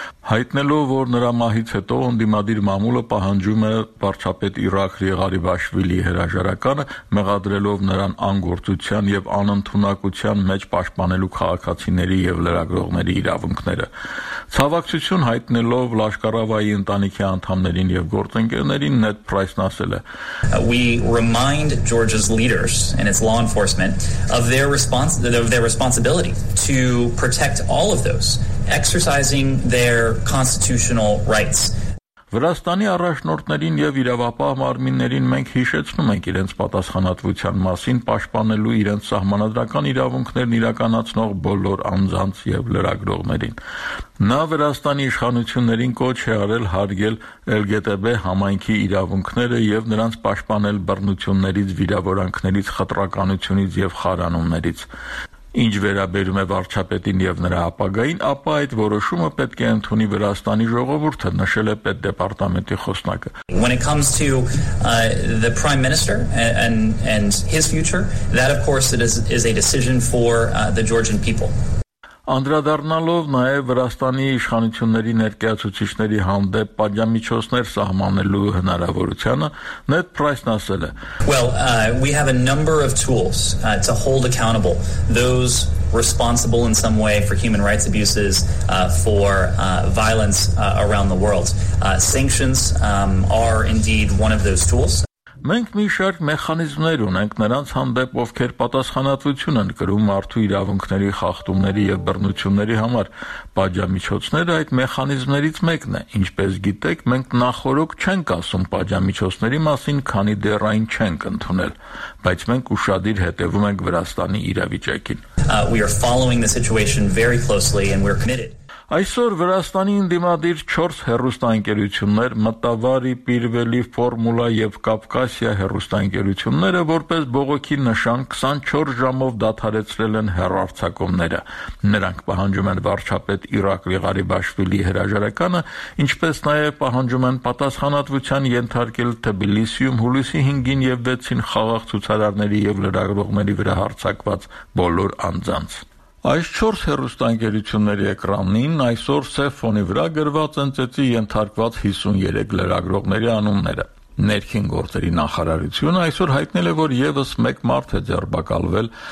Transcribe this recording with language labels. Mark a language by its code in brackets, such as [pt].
[hy] հայտնելով, որ նրա մահից հետո ընդդիմադիր մամուլը պահանջում է վարչապետ Իրակ Ղարիբաշվիլի հրաժարականը, մեղադրելով նրան անգործության և անընդունակության մեջ պաշտպանելու քաղաքացիների և լրագրողների իրավունքները։ Ցավակցություն հայտնելով Լաշկարավայի ընտանիքի անդամներին և գործընկերներին, Նետ Պրայսն ասել է. [en] We remind Georgia's leaders and its law enforcement of their responsibility to protect all of those exercising their constitutional rights. [hy] Վրաստանի առաջնորդներին եւ իրավապահ մարմիններին մենք հիշեցնում ենք իրենց պատասխանատվության մասին պաշտպանելու իրենց սահմանադրական իրավունքներն իրականացնող բոլոր անձանց եւ լրագրողներին։ Նա Վրաստանի իշխանություններին կոչ է արել հարգել LGBT համայնքի իրավունքները եւ նրանց պաշտպանել բռնություններից, վիրավորանքներից, խտրականությունից եւ խարանումներից։ Ինչ վերաբերում է վարչապետին եւ նրա ապագային, ապա այդ որոշումը պետք է ընդունի Վրաստանի ժողովուրդը, նշել է պետ դեպարտամենտի խոսնակը։ [en] When it comes to the prime minister and his future, that of course is a decision for the Georgian people. [hy] Անդրադառնալով նաև Վրաստանի իշխանությունների ներկայացուցիչների հանդեպ պատժամիջոցներ սահմանելու հնարավորությանը, Ned Price-ն ասել է. [en] Well, we have a number of tools to hold accountable those responsible in some way for human rights abuses, for violence around the world. Sanctions are indeed one of those tools. [hy] Մենք մի շարք մեխանիզմներ ունենք նրանց հանդեպ, ովքեր պատասխանատվություն են կրում մարդու իրավունքների խախտումների եւ բռնությունների համար։ Պատժամիջոցները այդ մեխանիզմներից մեկն է։ Ինչպես գիտեք, մենք նախորոք չենք ասում պատժամիջոցների մասին, քանի դեռ այն չենք ընդունել, բայց մենք ուշադիր հետևում ենք Վրաստանի իրավիճակին։ [en] We are following the situation very closely and we're committed. [hy] Այսօր Վրաստանի ընդդիմադիր 4 հեռուստաընկերություններ՝ Մտավարի, Պիրվելի, Ֆորմուլա եւ Կովկասիա հեռուստաընկերությունները, որպես բողոքի նշան 24 ժամով դադարեցրել են հեռարձակումները։ Նրանք պահանջում են վարչապետ Իրակլի Ղարիբաշվիլի հրաժարականը, ինչպես նաեւ պահանջում են պատասխանատվության ենթարկել Թբիլիսիում հուլիսի 5-ին եւ 6-ին խաղաղ ցուցարարների եւ լրագրողների վրա հարձակված բոլոր անձանց։ Այս 4 հեռուստաընկերությունների էկրանին այսօր սև ֆոնի վրա գրված են ծեցի ենթարկված 53 լրագրողների անունները։ Ներքին գործերի նախարարությունը այսօր հայտնել է, որ ևս մեկ մարդ է ձերբակալվել